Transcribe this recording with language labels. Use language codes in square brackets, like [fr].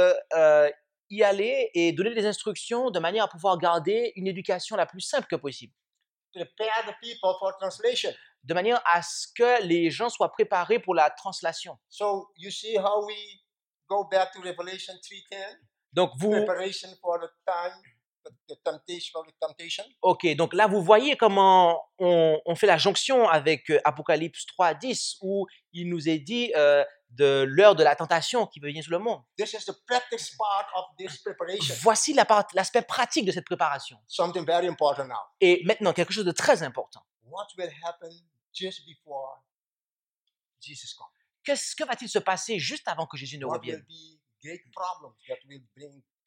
[fr] Pour y aller et donner des instructions de manière à pouvoir garder une éducation la plus simple que possible. [en] Prepare the people for translation. [fr] De manière à ce que les gens soient préparés pour la translation. [en] So you see how we go back to Revelation 3:10. [fr] Donc vous. [en] Preparation for the time. The temptation, the temptation. [fr] Ok, donc là vous voyez comment on fait la jonction avec Apocalypse 3:10 où il nous est dit de l'heure de la tentation qui vient sur le monde. [en] This is the practice part of this preparation. [fr] Voici l'aspect pratique de cette préparation. [en] Something very important now. [fr] Et maintenant quelque chose de très important. [en] What will happen just before Jesus comes? [fr] Que va-t-il se passer juste avant que Jésus ne revienne? [en] What will be great problems that will bring?